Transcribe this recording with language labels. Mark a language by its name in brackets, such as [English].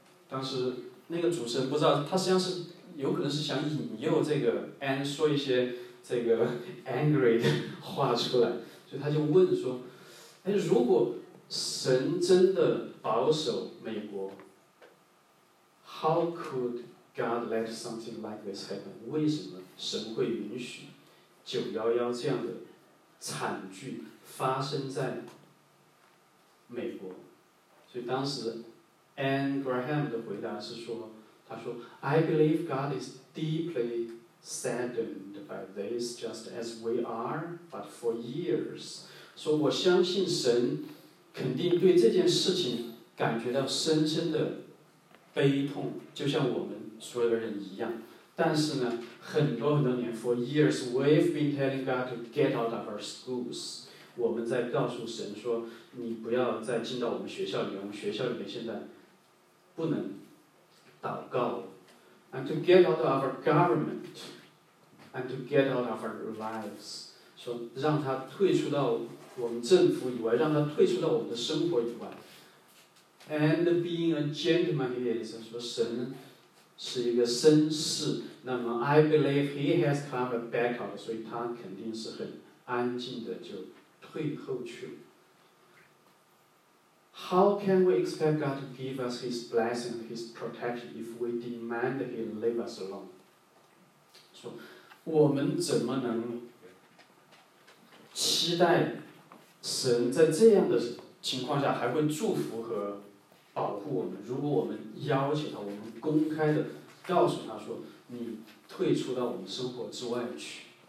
[Chinese] 当时那个主持人不知道，他实际上是有可能是想引诱这个 Anne 说一些这个 angry 的话出来，所以他就问说，哎，如果神真的保守美国， [English] How could God let something like this happen？ [Chinese] 为什么神会允许911这样的惨剧发生在美国？所以当时 Anne Graham 的回答是说，他说 [English] I believe God is deeply saddened by this just as we are but for years。 [Chinese] 说我相信神肯定对这件事情感觉到深深的悲痛，就像我们所有的人一样，但是呢，很多很多年 [English] for years we've been telling God to get out of our schools。 [Chinese] 我们在告诉神说，你不要再进到我们学校里面，我们学校里面现在不能祷告。 [English] and to get out of our government, and to get out of our lives. [Chinese] 说让他退出到我们政府以外，让他退出到我们的生活以外。 [English] And being a gentleman, he is, [Chinese] 说神是一个绅士。那么 [English] I believe he has come a back out, [Chinese] 所以他肯定是很安静的就退后去了。 [English] How can we expect God to give us His blessing, His protection, if we demand He leave us alone? [Chinese] 说，我们怎么能期待神在这样的情况下还会祝福和保护我们？如果我们邀请他，我们公开的告诉他说，你退出到我们生活之外去。